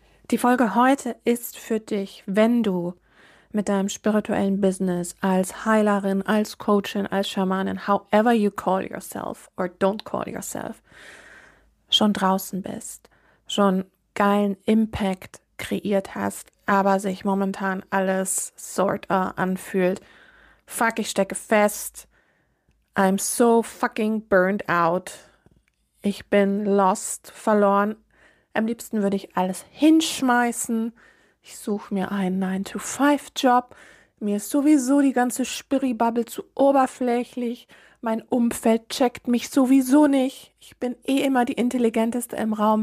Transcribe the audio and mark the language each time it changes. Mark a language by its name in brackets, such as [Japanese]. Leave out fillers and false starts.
[German] Die Folge heute ist für dich, wenn du mit deinem spirituellen Business als Heilerin, als Coachin, als Schamanin, [English] however you call yourself [German] or don't call yourself, schon draußen bist, schon geilen Impact kreiert hast, aber sich momentan alles sorta anfühlt. Fuck, ich stecke fest. [English] I'm so fucking burned out. [German] Ich bin lost, verloren. Am liebsten würde ich alles hinschmeißen. Ich suche mir einen 9-to-5-Job. Mir ist sowieso die ganze Spiri-Bubble zu oberflächlich. Mein Umfeld checkt mich sowieso nicht. Ich bin eh immer die Intelligenteste im Raum.